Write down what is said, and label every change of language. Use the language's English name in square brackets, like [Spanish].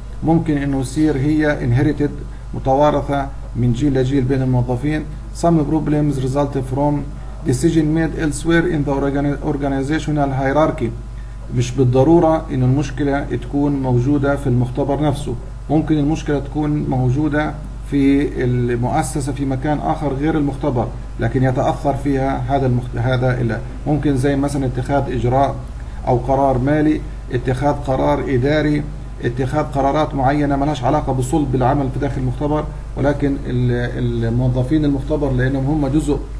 [Arabic] ممكن انه يصير هي inherited متوارثة من جيل لجيل بين الموظفين. [English] Some problems result from decision made elsewhere in the organizational hierarchy. [Arabic] مش بالضرورة ان المشكلة تكون موجودة في المختبر نفسه، ممكن المشكلة تكون موجودة في المؤسسة في مكان اخر غير المختبر، لكن يتأثر فيها هذا هذا الا ممكن زي مثلا اتخاذ اجراء او قرار مالي، اتخاذ قرار اداري، اتخاذ قرارات معينة ما لهاش علاقة بصلب العمل في داخل المختبر، ولكن الموظفين المختبر لانهم هم جزء